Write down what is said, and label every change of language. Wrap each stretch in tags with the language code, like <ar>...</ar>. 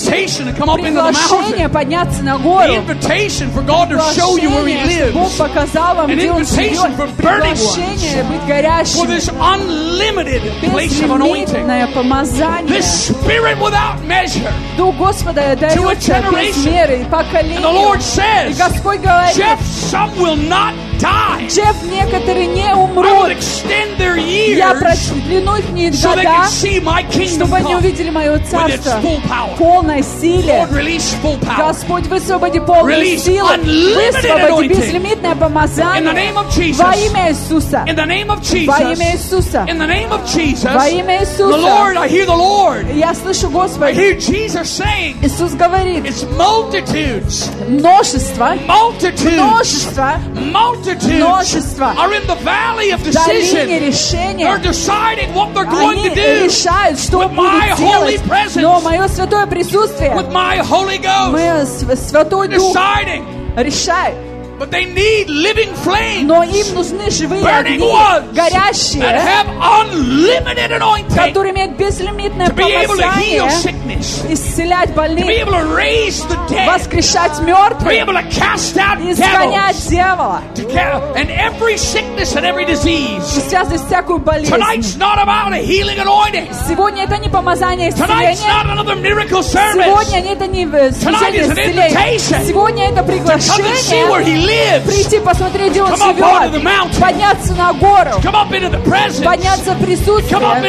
<ru>Приглашение подняться на гору. Приглашение, Бог показал вам, где Он живет. Приглашение быть горящим.</ru> <en>For this unlimited place of anointing.</en> <ru>Помазание.</ru> <en>This spirit without measure.</en> <ru>Дух Господа дается без меры и поколения.</ru> <en>The Lord says, Jeff, some will not die.</en> <ru>Jeff, некоторые не умрут.</ru> <en>I will extend their years so they can see my kingdom come with its full power.</en> <ru>Полной силе.</ru> <en>Lord, release full power.</en> <ru>Господь, высвободи полную силу.</ru> <en>Release unlimited anointing.</en> <ru>Безлимитное помазание.</ru> <en>In the name of Jesus.</en> <ru>Во имя Иисуса.</ru> <en>In the name of Jesus.</en> <ru>Во имя Иисуса.</ru> <en>In the name of Jesus.</en> <ru>Во имя Иисуса.</ru> <en>The Lord, I hear the Lord.</en> <ru>Я слышу Господь.</ru> <en>I hear Jesus saying.</en> <ru>Иисус говорит.</ru> <en>It's multitudes.</en> <ru>Множество.</ru> <en>Multitudes.</en> <ru>Множество. Множество.</ru> <en>Are in the valley of decision.</en> <ru>В долине решения.</ru> <en>They're deciding what they're going to do.</en> <ru>Они решают, что будут делать.</ru> <en>With my holy presence.</en> <ru>Но мое святое присутствие.</ru> <en>With my Holy Ghost.</en> <ru>Мое святой дух.</ru> <en>Deciding.</en> <ru>Решает.</ru> <en>But they need living flames.</en> <ru>Но им нужны живые</ru> <en>burning</en> <ru>огни, горящие,</ru> <en>that have unlimited anointing,</en> <ru>которые имеют безлимитное помазание, исцелять больных,</ru> <en>to be able to raise the dead,</en> <ru>воскрешать мертвых,</ru> <en>to be able to cast out devils,</en> <ru>изгонять дьявола,</ru> <en>to cast, and every sickness and every disease.</en> <ru>И связать всякую болезнь.</ru> <en>Tonight's not about a healing anointing.</en> <ru>Сегодня это не помазание исцеления.</ru> <en>Tonight's not another miracle service.</en> <ru>Сегодня это не исцеление.</ru> <en>Tonight is an invitation.</en> <ru>Сегодня это приглашение. Прийти посмотреть, где он живет. Подняться на гору. Подняться в присутствие.</ru>